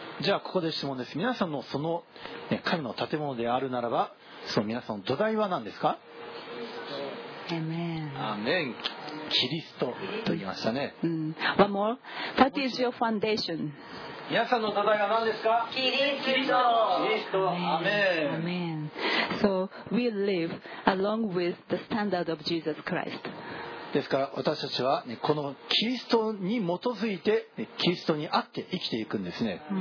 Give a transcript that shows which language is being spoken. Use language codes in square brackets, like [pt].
[ja] じゃあここで質問です。皆さんのその、ね、神の建物であるならば、その皆さんの土台は何ですか？ [en] Amen. Amen. [ja] キリストと言いましたね。 [en] One more. What is your foundation? [ja] 皆さんの土台は何ですか？キリスト。キリスト。アメン。アメン。 [en] So we live along with the standard of Jesus Christ. [ja] ですから私たちは、ね、このキリストに基づいて、ね、キリストにあって生きていくんですね。